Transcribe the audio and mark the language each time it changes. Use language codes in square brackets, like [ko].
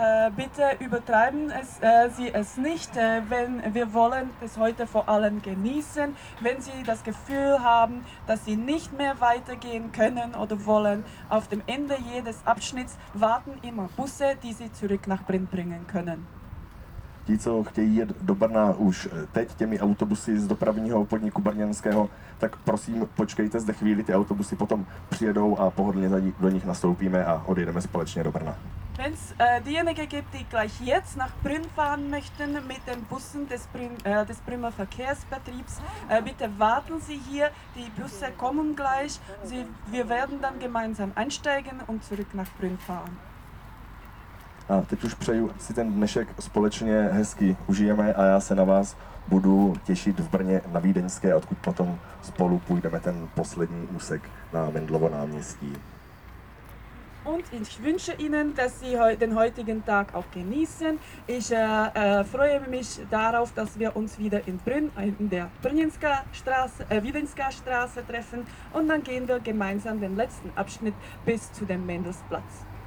[de] Bitte übertreiben Sie es nicht, wenn wir wollen es heute vor allem genießen. Wenn Sie das Gefühl haben, dass Sie nicht mehr weitergehen können oder wollen, auf dem Ende jedes Abschnitts warten immer Busse, die Sie zurück nach Brn bringen können. [cs] Ti, co chtějí jet do Brna už teď těmi autobusy z dopravního podniku brněnského, tak prosím, počkejte zde chvíli, ty autobusy potom přijedou a pohodlně do nich nastoupíme a odejdeme společně do Brna. [de] Wenn es diejenigen gibt, die gleich jetzt nach Brünn fahren möchten mit den Bussen des Brünner Verkehrsbetriebs, bitte warten Sie hier, die Busse kommen gleich, wir werden dann gemeinsam einsteigen und zurück nach Brünn fahren. [cs] A teď už přeju, si ten dnešek společně hezky užijeme a já se na vás budu těšit v Brně na Vídeňské, odkud potom spolu půjdeme ten poslední úsek na Mendlovo náměstí. [de] Und ich wünsche Ihnen, dass Sie den heutigen Tag auch genießen. Ich freue mich darauf, dass wir uns wieder in Brünn, in der Brünnenska Straße, Wiedenska Straße treffen. Und dann gehen wir gemeinsam den letzten Abschnitt bis zu dem Mendelsplatz.